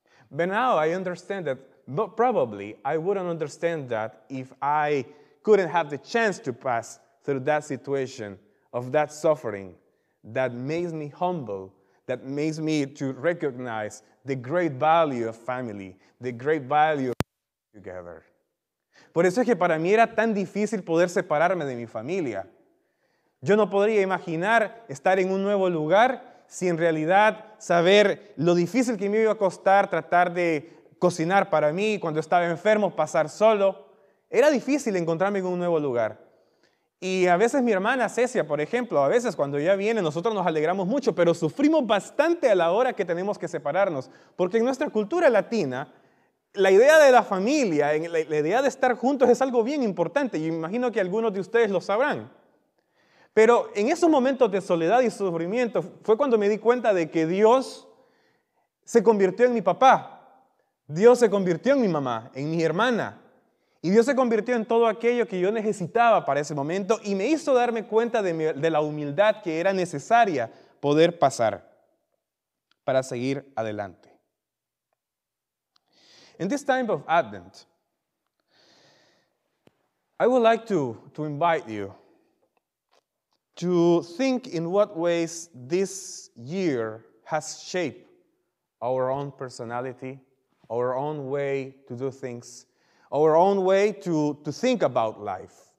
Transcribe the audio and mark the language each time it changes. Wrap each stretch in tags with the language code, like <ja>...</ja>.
<en>But now I understand that, but probably I wouldn't understand that if I couldn't have the chance to pass through that situation of that suffering that makes me humble, that makes me to recognize the great value of family, the great value of together.</en> <es>Por eso es que para mí era tan difícil poder separarme de mi familia. Yo no podría imaginar estar en un nuevo lugar sin en realidad saber lo difícil que me iba a costar tratar de cocinar para mí cuando estaba enfermo, pasar solo. Era difícil encontrarme en un nuevo lugar. Y a veces mi hermana Cecia, por ejemplo, a veces cuando ella viene, nosotros nos alegramos mucho, pero sufrimos bastante a la hora que tenemos que separarnos. Porque en nuestra cultura latina, la idea de la familia, la idea de estar juntos es algo bien importante. Y imagino que algunos de ustedes lo sabrán. Pero en esos momentos de soledad y sufrimiento fue cuando me di cuenta de que Dios se convirtió en mi papá. Dios se convirtió en mi mamá, en mi hermana. Y Dios se convirtió en todo aquello que yo necesitaba para ese momento y me hizo darme cuenta de la humildad que era necesaria poder pasar para seguir adelante.</es> <en>In this time of Advent, I would like to invite you to think in what ways this year has shaped our own personality, our own way to do things, our own way to think about life.</en>